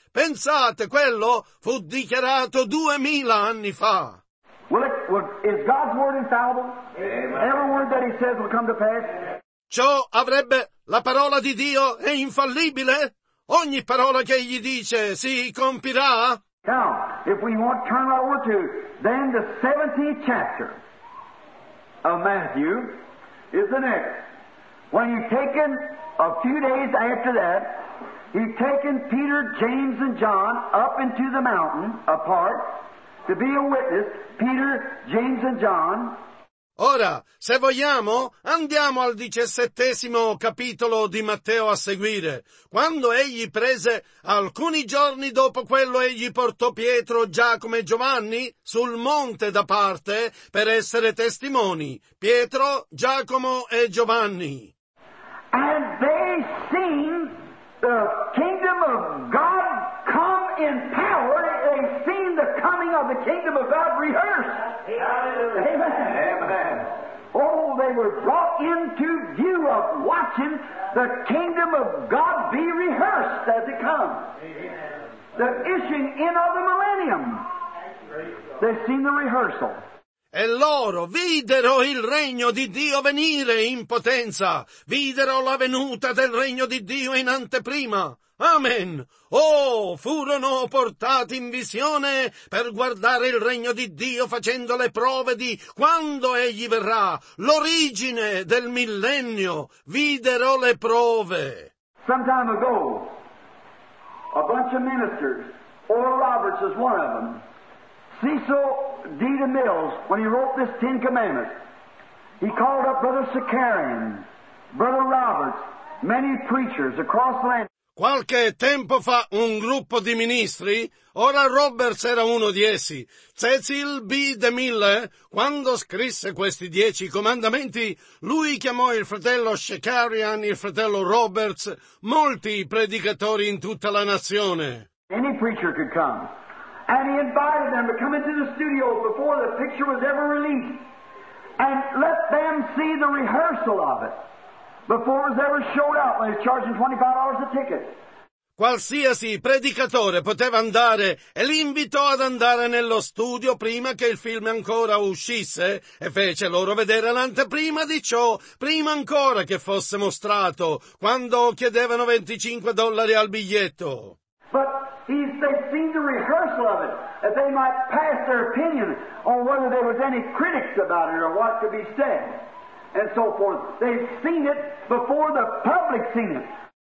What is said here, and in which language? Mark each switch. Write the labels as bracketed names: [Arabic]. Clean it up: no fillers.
[Italian] Pensate, quello fu dichiarato 2000 anni fa. [English] Well, is God's word infallible? Every word that he says will come to pass. [Italian] Ciò avrebbe, la parola di Dio è infallibile? Ogni parola che egli dice si compirà? [English] Now, if we want to turn over to then the 17th chapter of Matthew is the next. When he taken a few days after that, he taken Peter, James and John up into the mountain apart to be a witness, Peter, James and John. [Italian] Ora, se vogliamo, andiamo al 17° capitolo di Matteo a seguire. Quando egli prese, alcuni giorni dopo quello, egli portò Pietro, Giacomo e Giovanni sul monte da parte per essere testimoni. Pietro, Giacomo e Giovanni. [English] And they seen the kingdom of God come in power. They seen the coming of the kingdom of God rehearsed. Amen. Oh, they were brought into view of watching the kingdom of God be rehearsed as it comes. The issuing in of the millennium. They seen the rehearsal. [Italian] E loro videro il regno di Dio venire in potenza. Videro la venuta del regno di Dio in anteprima. Amen. Oh, furono portati in visione per guardare il regno di Dio facendo le prove di quando egli verrà, l'origine del millennio. Videro le prove. [English] Some time ago, a bunch of ministers, Oral Roberts is one of them, Cecil D. DeMille, when he wrote this Ten Commandments, he called up Brother Sakarian, Brother Roberts, many preachers across the land. [Italian] Qualche tempo fa un gruppo di ministri, Oral Roberts era uno di essi, Cecil B. DeMille, quando scrisse questi 10 comandamenti, lui chiamò il fratello Sakarian, il fratello Roberts, molti predicatori in tutta la nazione. [English] Any preacher could come. And he invited them to come into the studio before the picture was ever released. and let them see the rehearsal of it before it was ever showed out when they're charging $25 a ticket. [Italian] Qualsiasi predicatore poteva andare e li invitò ad andare nello studio prima che il film ancora uscisse e fece loro vedere l'anteprima di ciò prima ancora che fosse mostrato, quando chiedevano $25 al biglietto. [English] But they seen the rehearsal of it, that they might pass their opinion on whether there was any critics about it or what could be said, and so forth. They've seen it before the public seen it.